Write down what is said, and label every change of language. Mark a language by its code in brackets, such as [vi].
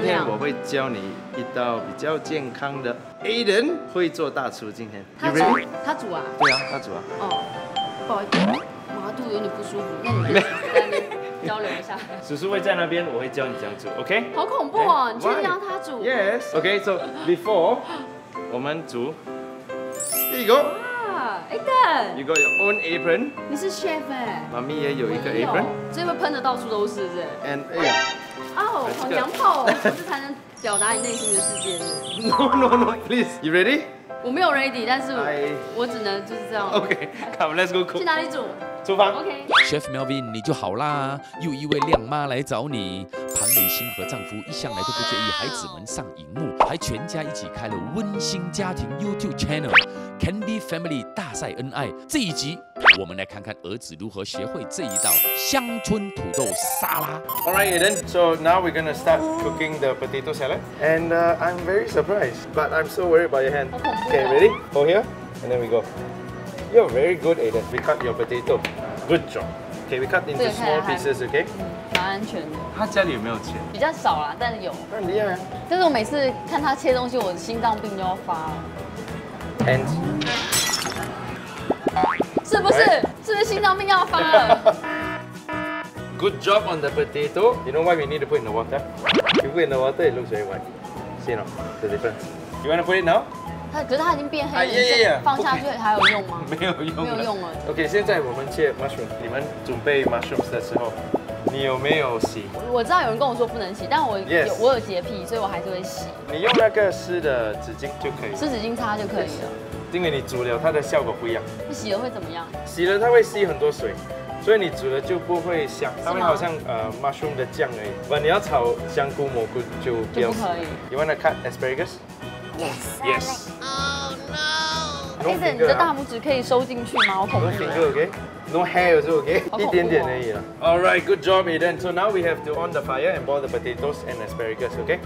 [zh] 今天我会教你一道比较健康的。Aiden 会做大厨，今天。他煮啊？对啊，他煮啊。哦，不好意思，马肚有点不舒服，那你。交流一下，叔叔会在那边，我会教你怎样煮 ，OK？好恐怖哦，你确定要他煮 [en] ？Yes，OK。 Okay, so before [zh] 我们煮 [en] ，Here you go。 [zh] 哇 ，Aiden， [en] you got your own apron。 [zh] 你是 chef 哎，妈咪也有一个 apron，这会喷的到处都是，是不是？And 哎呀，哦，好娘炮哦，不是才能表达你内心的世界 [en] 吗 ？No no no， please， you ready？ [zh] 我没有 ready， 但是 我只能就是这样。 [en] OK， come， let's go cook。 [zh] 去哪里煮？厨房 [en] ，OK。 [zh] Chef Melvin， 你就好啦，又一位靓妈来找你。庞美欣和丈夫一向来都不介意孩子们上荧幕，还全家一起开了温馨家庭 YouTube Channel Candy Family 大晒恩爱。这一集，我们来看看儿子如何学会这一道乡村土豆沙拉。 [en] All right, Aiden. So now we're gonna start cooking the potato salad. And I'm very surprised, but I'm so worried about your hand. Okay, ready? Go here, and then we go. You're very good, Aiden. We cut your potato. Good job. Okay, we cut into small pieces. Okay. [zh] 蛮安全的。他家里有没有钱？比较少啦，但是有。很厉害。但是我每次看他切东西，我的心脏病就要发了。 [en] And [zh] 是不是？Right? 是不是心脏病要发了？ [en] Good job on the potato. You know why we need to put in the water? If you put in the water, it looks very white. See no? The difference. You want to put it now? [zh] 可是它已经变黑了，放下去还有用吗？没有用，没有用了。 OK， 现在我们切 mushroom。你们准备 mushrooms 的时候，你有没有洗？我知道有人跟我说不能洗，但我有我有洁癖，所以我还是会洗。你用那个湿的纸巾就可以，湿纸巾擦就可以了。因为你煮了，它的效果不一样。不洗了会怎么样？洗了它会吸很多水。所以你煮了就不会香，它会好像mushroom 的酱而已。不，你要炒香菇蘑菇就不要。就不可以。 [en] You wanna cut asparagus？ Yes. Yes. Oh no. [zh] Aiden， 你的大拇指可以收进去吗？好恐怖。 [en] No finger, okay? No hair, is okay? [zh] 一点点而已了。 [en] All right, good job, Aiden. So now we have to on the fire and boil the potatoes and asparagus, okay?